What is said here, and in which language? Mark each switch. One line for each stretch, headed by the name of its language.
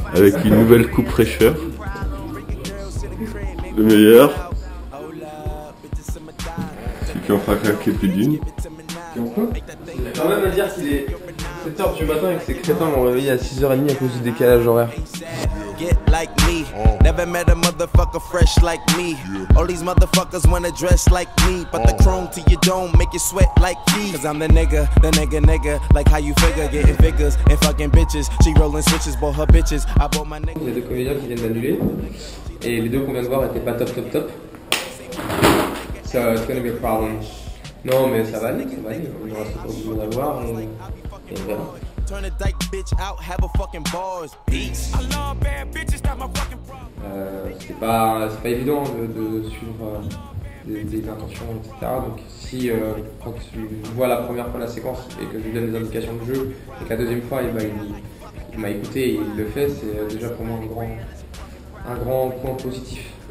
French: Avec une nouvelle coupe fraîcheur. Le meilleur. C'est qui en fera craquer plus d'une. J'ai quand même à dire qu'il est 7h du matin et que ces crétins m'ont réveillé à 6h30 à cause du décalage horaire.
English: Get like me, never met a motherfucker fresh like me. All these motherfuckers wanna dress like me, but the chrome to your dome make you sweat like me. Cause I'm the nigga, nigga, like how you figure, getting figures and fucking bitches. She rolling switches, bought her bitches. I bought my nigga. Il y a deux comédiens qui viennent d'annuler, et les deux qu'on vient de voir étaient pas top, top, top. So it's gonna be a problem.
French: Non, mais ça va aller, ça va aller. On aura toujours besoin d'avoir, on verra.
English: Turn a dyke bitch out, have a fucking bars, peace. I love bad bitches, that my fucking problem.
French: C'est pas évident de suivre des intentions, etc. Donc si quand tu vois la première fois la séquence et que je lui donne des indications de jeu, et que la deuxième fois il m'a écouté et il le fait, c'est déjà pour moi un grand point positif.